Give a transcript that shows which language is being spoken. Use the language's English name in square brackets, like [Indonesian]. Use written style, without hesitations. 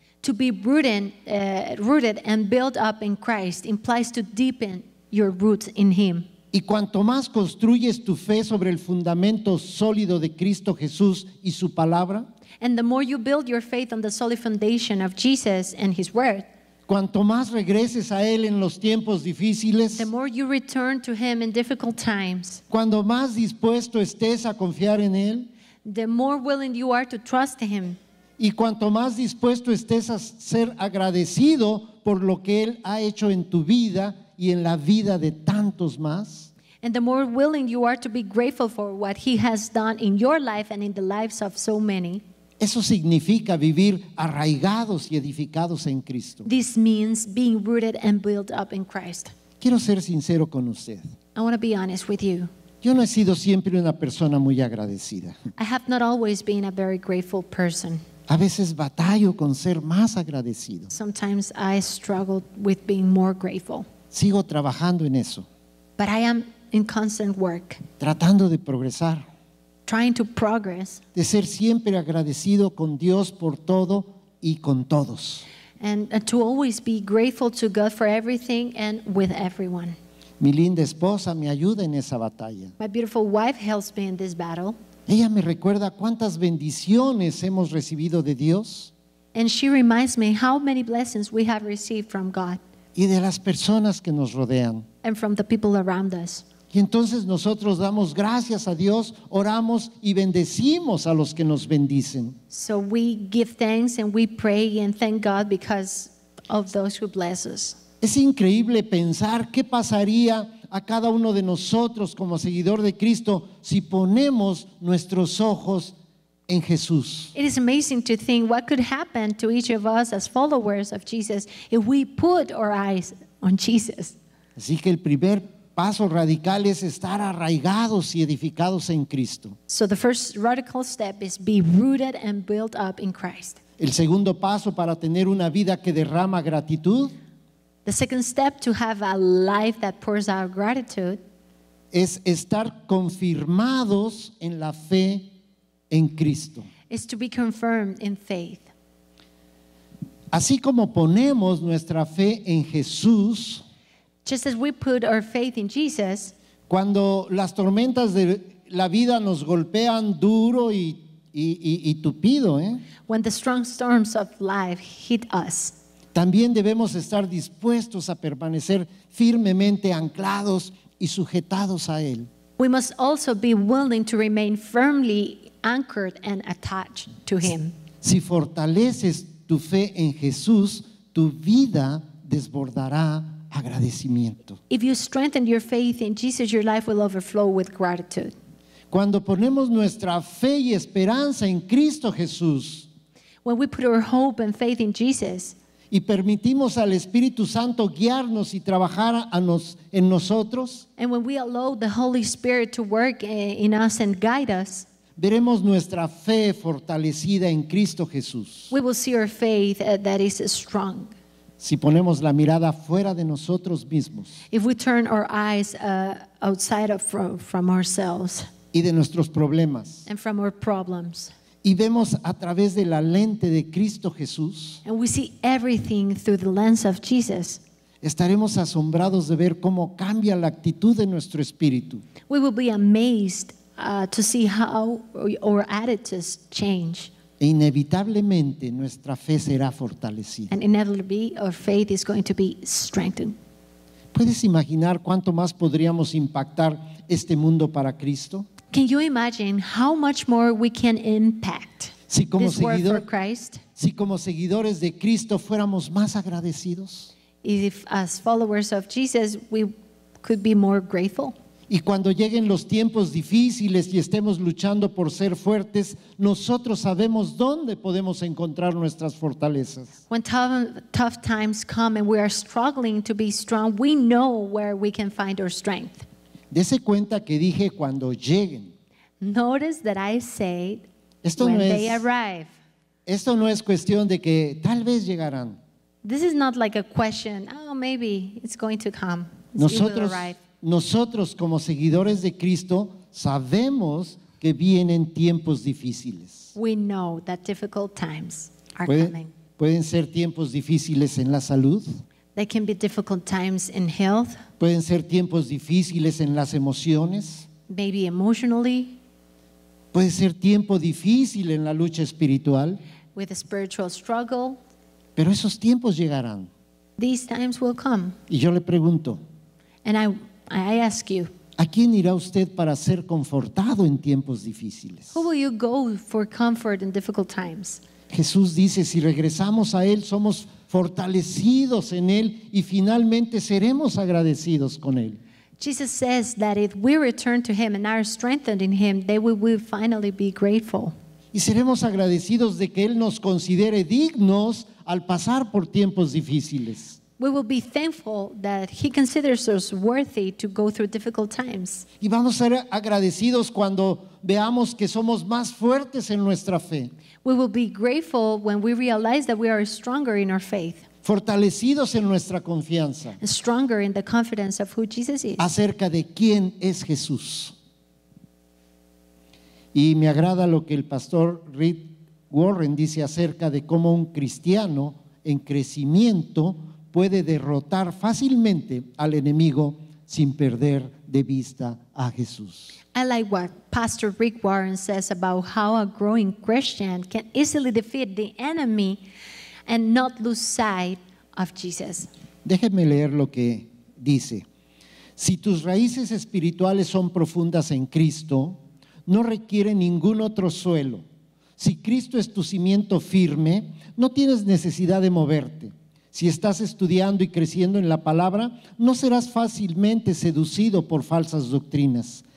[English] To be rooted and built up in Christ implies to deepen your roots in Him. [Spanish] Y cuanto más construyes tu fe sobre el fundamento sólido de Cristo Jesús y su palabra, [English] and the more you build your faith on the solid foundation of Jesus and his word, [Spanish] cuanto más regreses a él en los tiempos difíciles, [English] the more you return to him in difficult times, [Spanish] cuando más dispuesto estés a confiar en él, [English] the more willing you are to trust him, [Spanish] y cuanto más dispuesto estés a ser agradecido por lo que él ha hecho en tu vida y en la vida de tantos más, [English] and the more willing you are to be grateful for what he has done in your life and in the lives of so many, [Spanish] eso significa vivir arraigados y edificados en Cristo. [English] This means being rooted and built up in Christ. [Spanish] Quiero ser sincero con usted. [English] I want to be honest with you. [Spanish] Yo no he sido siempre una persona muy agradecida. [English] I have not always been a very grateful person. [Spanish] A veces batallo con ser más agradecido. [English] Sometimes I struggle with being more grateful. [Spanish] Sigo trabajando en eso. [English] But I am in constant work. [Spanish] Tratando de progresar. [English] Trying to progress. [Spanish] De ser siempre agradecido con Dios por todo y con todos. [English] And to always be grateful to God for everything and with everyone. [Spanish] Mi linda esposa me ayuda en esa batalla. [English] My beautiful wife helps me in this battle. [Spanish] Ella me recuerda cuántas bendiciones hemos recibido de Dios. [English] And she reminds me how many blessings we have received from God. [Spanish] Y de las personas que nos rodean. [English] And from the people around us. [Spanish] Y entonces nosotros damos gracias a Dios, oramos y bendecimos a los que nos bendicen. [English] So we give thanks and we pray and thank God because of those who bless us. [Spanish] Es increíble pensar qué pasaría a cada uno de nosotros como seguidor de Cristo si ponemos nuestros ojos en Jesús. [English] It is amazing to think what could happen to each of us as followers of Jesus if we put our eyes on Jesus. [Spanish] Así que el primer paso radical es estar arraigados y edificados en Cristo. [English] So the first radical step is be rooted and built up in Christ. [Spanish] El segundo paso para tener una vida que derrama gratitud, [English] the second step to have a life that pours out gratitude, [Spanish] es estar confirmados en la fe en Cristo. [English] Is to be confirmed in faith. [Spanish] Así como ponemos nuestra fe en Jesús, [English] just as we put our faith in Jesus, [Spanish] cuando las tormentas de la vida nos golpean duro y tupido, [English] when the strong storms of life hit us, [Spanish] también debemos estar dispuestos a permanecer firmemente anclados y sujetados a él. [English] We must also be willing to remain firmly anchored and attached to him. [Spanish] Si fortaleces tu fe en Jesús, tu vida desbordará agradecimiento. [English] If you strengthen your faith in Jesus, your life will overflow with gratitude. [Spanish] Cuando ponemos nuestra fe y esperanza en Cristo Jesús, [English] when we put our hope and faith in Jesus, [Spanish] y permitimos al Espíritu Santo guiarnos y trabajar en nosotros, [English] and when we allow the Holy Spirit to work in us and guide us, [Spanish] veremos nuestra fe fortalecida en Cristo Jesús. [English] We will see our faith that is strong. [Spanish] Si ponemos la mirada fuera de nosotros mismos, [English] if we turn our eyes outside of from ourselves, [Spanish] y de nuestros problemas, [English] and from our problems, [Spanish] y vemos a través de la lente de Cristo Jesús, [English] and we see everything through the lens of Jesus, [Spanish] estaremos asombrados de ver cómo cambia la actitud de nuestro espíritu. [English] We will be amazed to see how our attitudes change. [Spanish] E inevitablemente nuestra fe será fortalecida. [English] And inevitably our faith is going to be strengthened. [Spanish] ¿Puedes imaginar cuánto más podríamos impactar este mundo para Cristo? [English] Can you imagine how much more we can impact [Spanish] si como [English] this world for Christ? [Spanish] Si como seguidores de Cristo fuéramos más agradecidos. [English] If as followers of Jesus we could be more grateful. [Spanish] Y cuando lleguen los tiempos difíciles y estemos luchando por ser fuertes, nosotros sabemos dónde podemos encontrar nuestras fortalezas. [English] When tough times come and we are struggling to be strong, we know where we can find our strength. [Spanish] Dese cuenta que dije cuando lleguen. [English] Notice that I said when they arrive. [Spanish] Esto no es cuestión de que tal vez llegarán. [English] This is not like a question. Oh, maybe it's going to come. [Spanish] Nosotros como seguidores de Cristo sabemos que vienen tiempos difíciles. [English] We know that difficult times are coming. [Spanish] Pueden ser tiempos difíciles en la salud. [English] They can be difficult times in health. [Spanish] Pueden ser tiempos difíciles en las emociones. [English] Maybe emotionally. [Spanish] Puede ser tiempo difícil en la lucha espiritual. [English] With a spiritual struggle. [Spanish] Pero esos tiempos llegarán. [English] These times will come. [Spanish] Y yo le pregunto. [English] And I ask you. [Spanish] ¿A quién irá usted para ser confortado en tiempos difíciles? [English] Who will you go for comfort in difficult times? [Spanish] Jesús dice, si regresamos a Él, somos fortalecidos en Él y finalmente seremos agradecidos con Él. [English] Jesus says that if we return to Him and are strengthened in Him, then we will finally be grateful. [Spanish] Y seremos agradecidos de que Él nos considere dignos al pasar por tiempos difíciles. [English] We will be thankful that He considers us worthy to go through difficult times. [Spanish] Y vamos a ser agradecidos cuando veamos que somos más fuertes en nuestra fe. [English] We will be grateful when we realize that we are stronger in our faith. [Spanish] Fortalecidos en nuestra confianza. [English] Stronger in the confidence of who Jesus is. [Spanish] Acerca de quién es Jesús. Y me agrada lo que el pastor Rick Warren dice acerca de cómo un cristiano en crecimiento puede derrotar fácilmente al enemigo sin perder de vista a Jesús. [English] I like what Pastor Rick Warren says about how a growing Christian can easily defeat the enemy and not lose sight of Jesus. [Spanish] Déjenme leer lo que dice. Si tus raíces espirituales son profundas en Cristo, no requiere ningún otro suelo. Si Cristo es tu cimiento firme, no tienes necesidad de moverte. Si estás estudiando y creciendo en la palabra, no serás fácilmente seducido por falsas doctrinas.